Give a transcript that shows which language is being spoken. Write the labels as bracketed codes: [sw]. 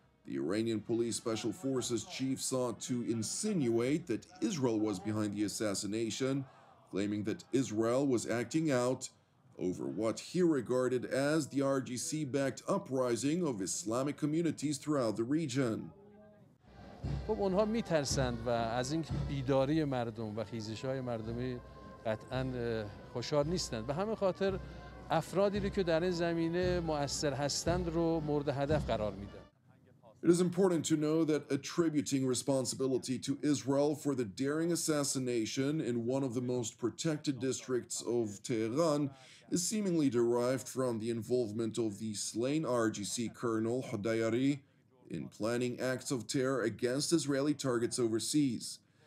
[en] The Iranian Police Special Forces chief sought to insinuate that Israel was behind the assassination, claiming that Israel was acting out over what he regarded as the IRGC-backed uprising of Islamic communities throughout the region. [fa] خب اونها میترسند و از این بیداری مردم و خیزش‌های مردمی قطعاً خوشحال نیستند. به همین خاطر افرادی رو که در این زمینه مؤثر هستند رو مورد هدف قرار میدن. [en] It is important to know that attributing responsibility to Israel for the daring assassination in one of the most protected districts of Tehran is seemingly derived from the involvement of the slain IRGC Colonel Khodayari in planning acts of terror against Israeli targets overseas.